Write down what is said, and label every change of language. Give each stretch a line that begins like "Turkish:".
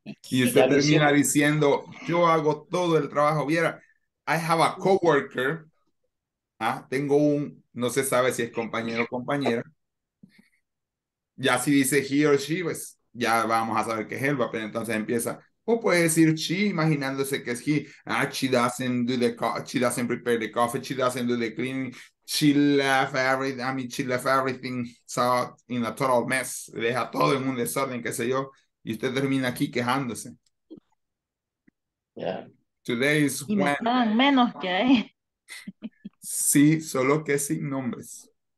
Spanish: Y usted termina diciendo, yo hago todo el trabajo. Viera,
English: I have a coworker.
Spanish: Ah, tengo un, no se sabe si es compañero o compañera. Ya si dice
English: he or she,
Spanish: pues ya vamos a saber que es él, pero entonces empieza. O puede decir she, imaginándose que es he.
English: Ah, she doesn't do the coffee, she doesn't prepare the coffee, she doesn't do the cleaning. She left everything so in a total mess.
Spanish: Deja todo en un desorden, qué sé yo. Y usted termina aquí quejándose. Yeah. Today is y when. Me pagan menos que ahí. Sí, solo que sin nombres.